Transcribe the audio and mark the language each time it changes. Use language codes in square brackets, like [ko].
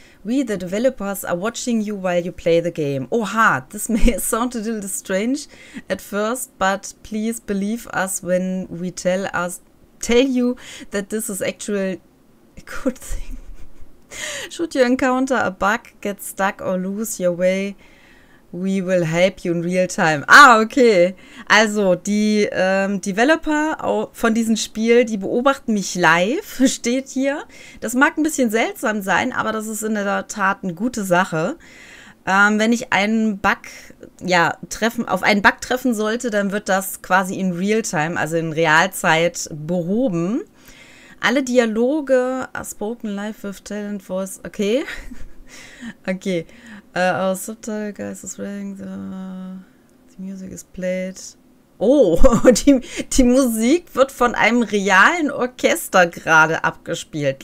[en] We, the developers, are watching you while you play the game. Oha, this may sound a little strange at first, but please believe us when we tell you that this is actually a good thing. Should you encounter a bug, get stuck or lose your way, we will help you in real time. Ah, okay. [de] Also, die Developer von diesem Spiel, die beobachten mich live, steht hier. Das mag ein bisschen seltsam sein, aber das ist in der Tat eine gute Sache. Wenn ich einen Bug, ja, auf einen Bug treffen sollte, dann wird das quasi [en] in real time, [de] also in Realzeit, behoben. Alle Dialoge, [en] spoken live with talent voice, okay. Okay. Our subtitle guys is reading the music is played. [de] Oh, die Musik wird von einem realen Orchester gerade abgespielt.